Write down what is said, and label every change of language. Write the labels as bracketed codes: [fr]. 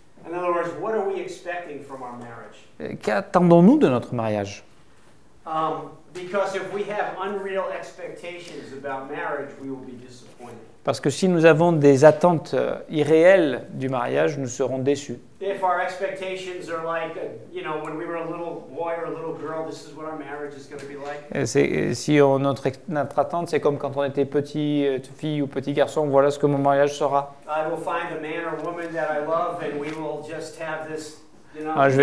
[en] In other words, what are we expecting from our marriage? [fr] Qu'attendons-nous de notre mariage? [en] Because if we have unreal expectations about marriage, we will be disappointed. [fr] Parce que si nous avons des attentes irréelles du mariage, nous serons déçus. [en] If our expectations are like, you know, when we were a little boy or a little girl, this is what our marriage is going to be like. [fr] Notre attente, c'est comme quand on était petite fille ou petit garçon, voilà ce que mon mariage sera. [en] I will find the man or woman that I love and we will just have this, you know,